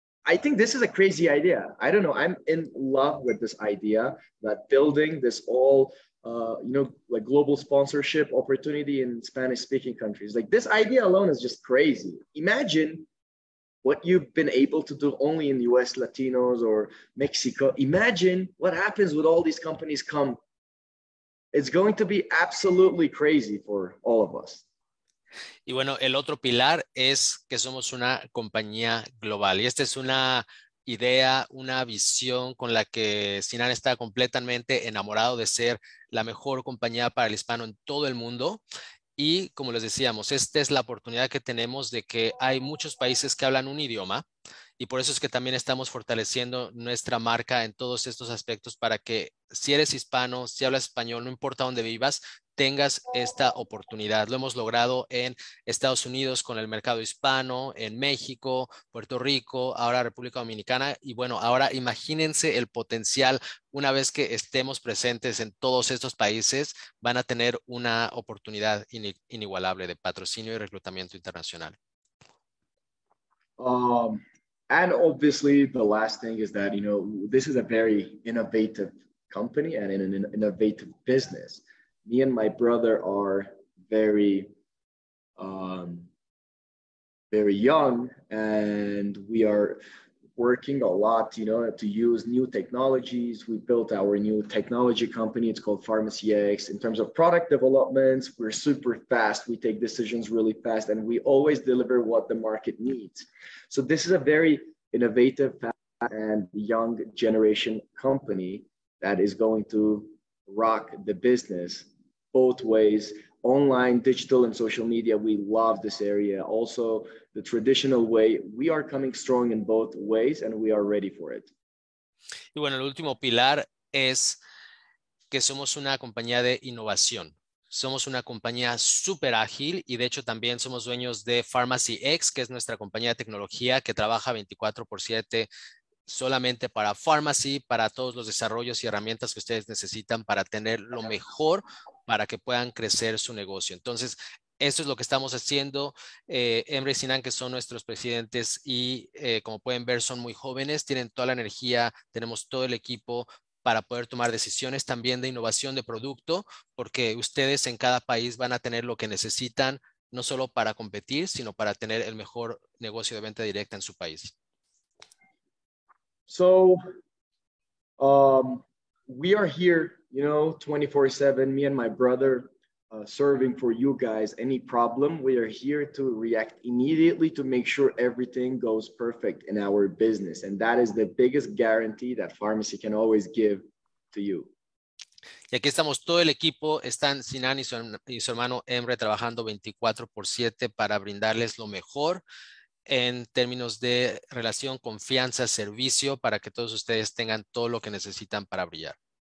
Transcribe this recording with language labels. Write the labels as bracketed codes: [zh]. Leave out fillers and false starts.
[en] I think this is a crazy idea. I don't know. I'm in love with this idea that building this all, you know, like global sponsorship opportunity in Spanish speaking countries. Like this idea alone is just crazy. Imagine what you've been able to do only in the US, Latinos or Mexico. Imagine what happens with all these companies come. It's going to be absolutely crazy for all of us. [es] Y bueno, el otro pilar es que somos una compañía global y esta es una idea, una visión con la que Sinan está completamente enamorado de ser la mejor compañía para el hispano en todo el mundo. Y como les decíamos, esta es la oportunidad que tenemos de que hay muchos países que hablan un idioma y por eso es que también estamos fortaleciendo nuestra marca en todos estos aspectos para que si eres hispano, si hablas español, no importa dónde vivas, tengas esta oportunidad. Lo hemos logrado en Estados Unidos con el mercado hispano, en México, Puerto Rico, ahora República Dominicana. Y bueno, ahora imagínense el potencial una vez que estemos presentes en todos estos países, van a tener una oportunidad inigualable de patrocinio y reclutamiento internacional. [en] And obviously the last thing is that, you know, this is a very innovative company and in an innovative business. Me and my brother are very, very young, and we are working a lot, you know, to use new technologies. We built our new technology company. It's called PharmacyX. In terms of product developments, we're super fast. We take decisions really fast, and we always deliver what the market needs. So this is a very innovative and young generation company that is going to rock the business. Both ways, online, digital, and social media. We love this area. Also, the traditional way, we are coming strong in both ways and we are ready for it. [es] Y bueno, el último pilar es que somos una compañía de innovación. Somos una compañía súper ágil y de hecho también somos dueños de PharmacyX, que es nuestra compañía de tecnología que trabaja 24/7 solamente para Pharmacy, para todos los desarrollos y herramientas que ustedes necesitan para tener lo mejor para que puedan crecer su negocio. Entonces, esto es lo que estamos haciendo. Emre y Sinan, que son nuestros presidentes y como pueden ver, son muy jóvenes, tienen toda la energía, tenemos todo el equipo para poder tomar decisiones también de innovación de producto, porque ustedes en cada país van a tener lo que necesitan, no solo para competir, sino para tener el mejor negocio de venta directa en su país. [en] So, we are here, you know, 24/7, me and my brother, serving for you guys. Any problem, we are here to react immediately to make sure everything goes perfect in our business. And that is the biggest guarantee that pharmacy can always give to you. [es] Y aquí estamos todo el equipo, están Sinan y su hermano Emre trabajando 24/7 para brindarles lo mejor en términos de relación, confianza, servicio, para que todos ustedes tengan todo lo que necesitan para brillar.